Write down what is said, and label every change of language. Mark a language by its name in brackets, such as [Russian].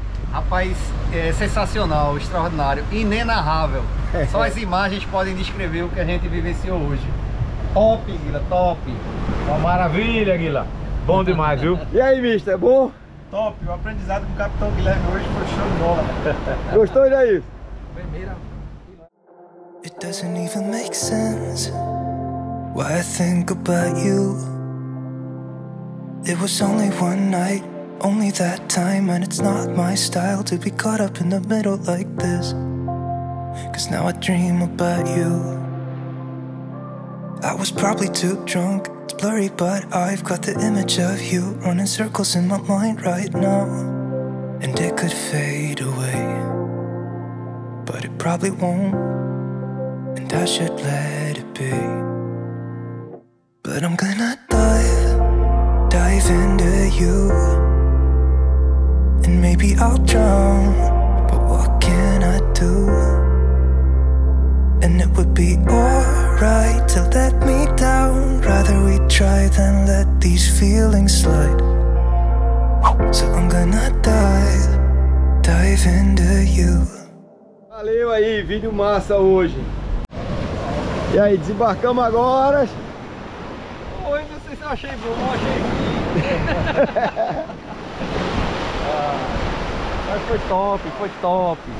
[Portuguese] Rapaz, é sensacional, extraordinário, inenarrável. Só as imagens podem descrever o que a gente vivenciou hoje. Top, Guila, top. Uma maravilha, Guila. Bom demais, viu? E aí, mister, é bom? Top, o aprendizado com o Capitão Guilherme hoje foi show de bola. Gostou, Jair? Primeira. [English] It doesn't even make sense why I think about you. It was only one night. Only that time, and it's not my style to be caught up in the middle like this. 'Cause now I dream about you. I was probably too drunk. It's blurry, but I've got the image of you running circles in my mind right now. And it could fade away, but it probably won't, and I should let it be. But I'm gonna dive into you, and maybe I'll drown, but what can I do? And it would be alright to let me down. Rather we try than let these feelings slide. So I'm gonna dive into you. [Portuguese] Valeu aí, vídeo massa hoje. E aí, desembarcamos agora. Oi, não sei se eu achei bom, achei. Mas foi top, foi top.